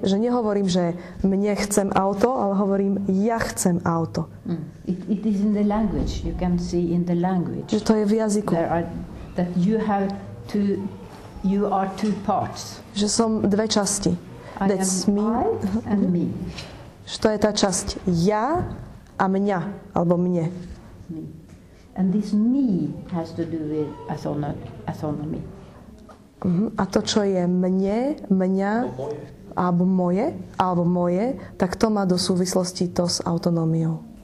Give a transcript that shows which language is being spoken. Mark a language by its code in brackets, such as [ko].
[sk] Že nehovorím, že mne chcem auto, ale hovorím ja chcem auto. [en] It is in the language. You can see in the language. [sk] Že to je v jazyku. [en] That you have two, you are two parts. [sk] Že som dve časti. [en] That's me. I and me. [sk] Že to je tá časť ja a mňa, alebo mne. [en] And this me has to do with autonomy. [sk] A to, čo je mne, mňa, alebo moje, tak to má do súvislosti to s autonómiou.